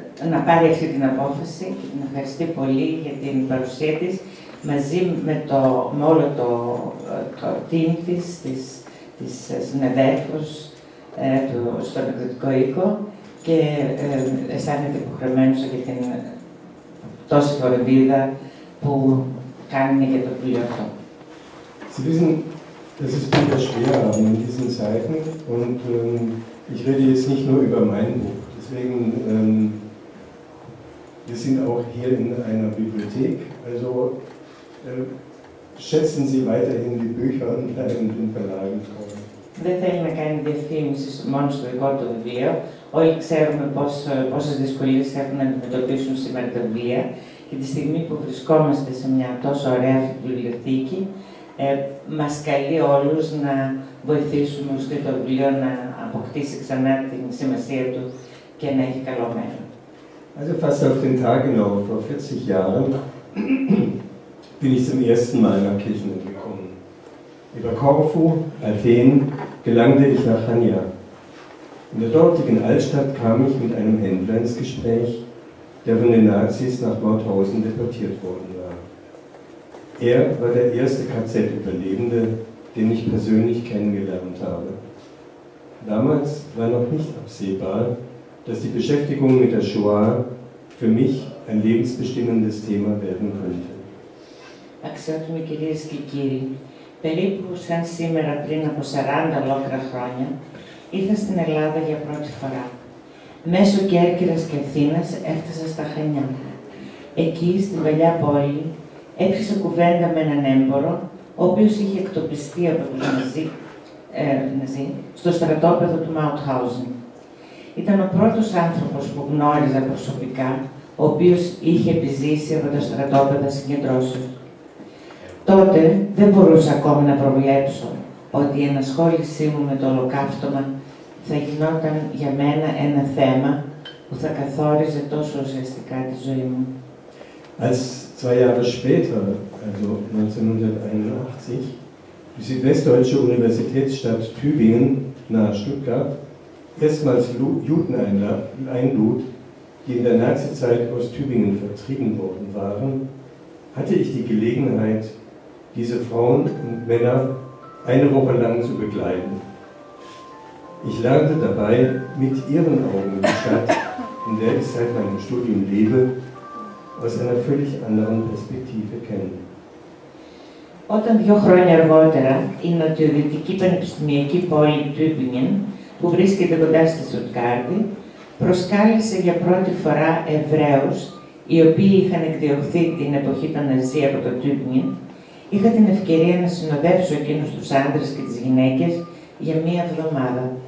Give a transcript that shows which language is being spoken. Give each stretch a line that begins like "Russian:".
Greek: να πάρει αυτή την απόφαση και την ευχαριστεί πολύ για την παρουσία της μαζί με όλο το team της συνεδέφους στον εκδοτικό οίκο και αισθάνεται υποχρεωμένος για την τόση φροντίδα που κάνει για το βιβλίο αυτό.
German: Sie wissen, dass es Bücher schwer haben in diesen Zeiten und ich rede jetzt nicht nur über mein Buch. Deswegen, wir sind auch hier in einer Bibliothek, also schätzen Sie weiterhin die Bücher und bleiben den Verlagen treu.
Greek: Δεν θέλουμε κάνει διαφήμιση μόνο στο δικό του βιβλίο. Όλοι ξέρουμε πόσες δυσκολίες έχουν να αντιμετωπίσουν σήμερα τα βιβλία και τη στιγμή που βρισκόμαστε σε μια τόσο ωραία βιβλιοθήκη, μας καλεί όλους να βοηθήσουμε ώστε το βιβλίο να αποκτήσει ξανά την σημασία του και να έχει καλό μέλλον.
German: Also fast auf den Tag genau, vor 40 Jahren bin ich zum ersten Mal nach Kirchner gekommen. Über Korfu, Athen, gelangte ich nach Chania. In der dortigen Altstadt kam ich mit einem Händler ins Gespräch, der von den Nazis nach Mauthausen deportiert worden war. Er war der erste KZ-Überlebende, den ich persönlich kennengelernt habe. Damals war noch nicht absehbar, dass die Beschäftigung mit der Shoah für mich ein lebensbestimmendes Thema werden könnte.
Greek: Αξιότιμοι κυρίες και κύριοι, περίπου σαν σήμερα πριν από 40 ολόκληρα χρόνια, ήρθα στην Ελλάδα για πρώτη φορά. Μέσω Κέρκυρας και Αθήνας έφτασα στα Χανιά. Εκεί, στην παλιά πόλη, έπιασα κουβέντα με έναν έμπορο, ο οποίος είχε εκτοπιστεί από τους Ναζί στο στρατόπεδο του Mauthausen. Ήταν ο πρώτος άνθρωπος που γνώριζα προσωπικά, ο οποίος είχε επιζήσει από τα στρατόπεδα συγκεντρώσεων. Τότε δεν μπορούσα ακόμη να προβλέψω ότι η ενασχόλησή μου με το ολοκαύτωμα θα γινόταν για μένα ένα θέμα που θα καθόριζε τόσο ουσιαστικά τη ζωή μου.
German: Zwei Jahre später, also 1981, die Südwestdeutsche Universitätsstadt Tübingen nahe Stuttgart erstmals Juden einlud, die in der Nazizeit aus Tübingen vertrieben worden waren, hatte ich die Gelegenheit, diese Frauen und Männer eine Woche lang zu begleiten. Ich lernte dabei mit ihren Augen die Stadt, in der ich seit meinem Studium lebe, aus einer völlig anderen Perspektive kennen.
Greek: Όταν δύο χρόνια αργότερα η νοτιοδυτική πανεπιστημιακή πόλη Τούμπιγκεν, που βρίσκεται κοντά στη Στουτγκάρδη, προσκάλεσε για πρώτη φορά Εβραίους, οι οποίοι είχαν εκδιωχθεί την εποχή των Ναζί από το Τούμπιγκεν, είχα την ευκαιρία να συνοδεύσω εκείνους τους άντρες και τις γυναίκες για μία εβδομάδα.